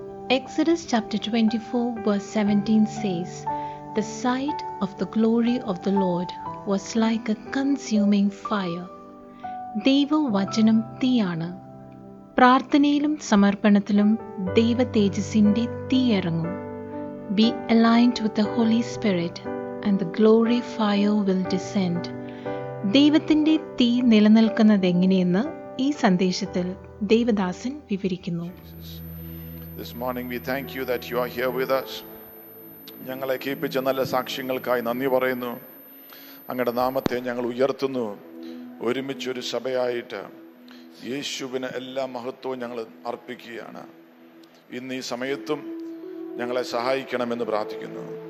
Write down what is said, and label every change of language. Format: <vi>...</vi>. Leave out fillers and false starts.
<en>Exodus chapter 24 verse 17 says, "The sight of the glory of the Lord was like a consuming fire."</en> <ml>ദൈവവചനം തീയാണ്. പ്രാർത്ഥനയിലും സമർപ്പണത്തിലും ദൈവ തേജസ്സിൻ്റെ തീയിറങ്ങും.</ml> <en>Be aligned with the holy spirit and the glory fire will descend.</en> <ml>ദൈവത്തിൻ്റെ തീ നിലനിൽക്കുന്നത് എങ്ങനെയെന്ന് ഈ സന്ദേശത്തിൽ ദൈവദാസൻ വിവരിക്കുന്നു.</ml> <en>This morning we thank you that you are here with us.</en> <ml>ഞങ്ങളെ കേൾപ്പിച്ച നല്ല സാക്ഷ്യങ്ങൾക്കായി നന്ദി പറയുന്നു. അങ്ങയുടെ നാമത്തെ ഞങ്ങൾ ഉയർത്തുന്നു. ഒരുമിച്ചൊരു സഭയായിട്ട് യേശുവിന് എല്ലാ മഹത്വവും ഞങ്ങൾ അർപ്പിക്കുകയാണ്. ഇന്ന് ഈ സമയത്തും ഞങ്ങളെ സഹായിക്കണമെന്ന് പ്രാർത്ഥിക്കുന്നു.</ml>